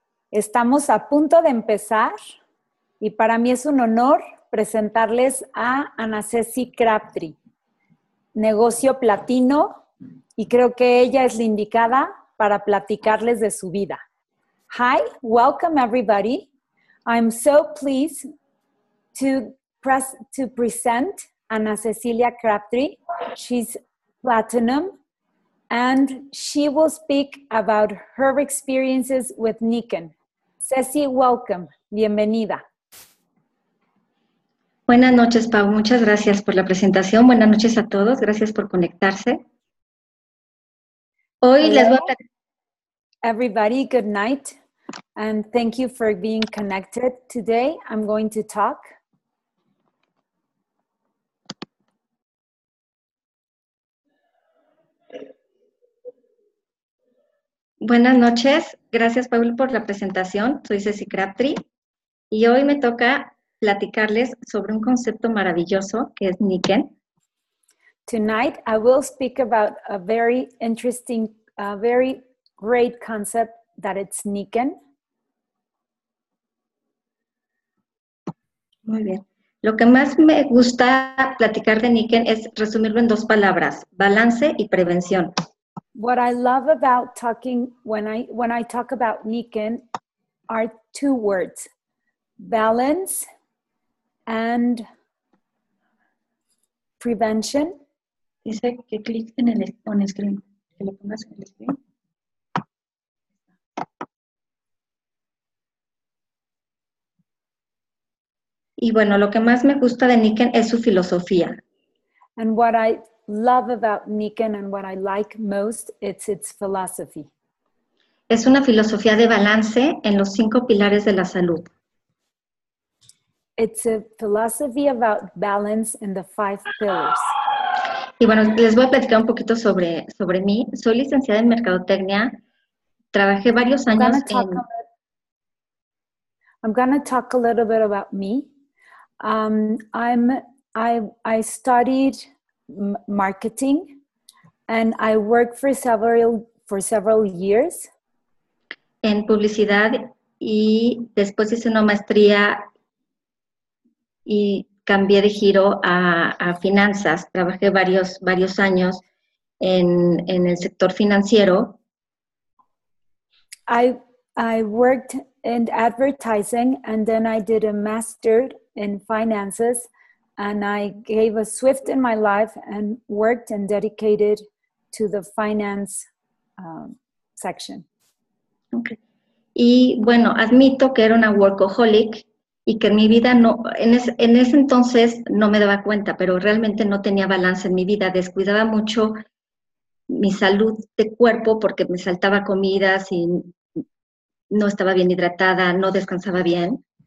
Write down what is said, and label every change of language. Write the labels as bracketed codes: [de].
[es] Estamos a punto de empezar y para mí es un honor presentarles a Ana Ceci Crabtree, negocio platino, y creo que ella es la indicada para platicarles de su vida. [en] Hi, welcome everybody. I'm so pleased to present Ana Cecilia Crabtree. She's platinum. And she will speak about her experiences with Nikon. Ceci, welcome. Bienvenida. [es] Buenas noches, Pau. Muchas gracias por la presentación. Buenas noches a todos. Gracias por conectarse. Hoy [en] Hello. [es] Les voy a platicar. [en] Everybody, good night. And thank you for being connected today. I'm going to talk. [es] Buenas noches, gracias Pablo por la presentación, soy Ceci Crabtree y hoy me toca platicarles sobre un concepto maravilloso que es Nikon. [en] Tonight I will speak about a very interesting, a very great concept that it's Nikon. [es] Muy bien, lo que más me gusta platicar de Nikon es resumirlo en dos palabras, balance y prevención. [en] What I love about talking when I talk about Nikon are two words, balance and prevention. [es] Dice que clic en el on screen. Que lo pongas en el screen. Y bueno, lo que más me gusta de Nikon es su filosofía. [en] And what I love about Nikon and what I like most, it's its philosophy. [es] Es una filosofía de balance en los cinco pilares de la salud. [en] It's a philosophy about balance in the five pillars. [es] Y bueno, les voy a platicar un poquito sobre mí. Soy licenciada en mercadotecnia. Trabajé varios años [en] I'm going to talk a little bit about me. I studied marketing and I worked for several years [es] en publicidad y después hice una maestría y cambié de giro a finanzas. Trabajé varios años en el sector financiero. [en] I worked in advertising and then I did a master in finances. And I gave a shift in my life and worked and dedicated to the finance section. [es] Okay. Y bueno, admito que era una workaholic y que en mi vida no, en ese entonces no me daba cuenta, pero realmente no tenía balance en mi vida. Descuidaba mucho mi salud de cuerpo porque me saltaba comidas y no estaba bien hidratada, no descansaba bien.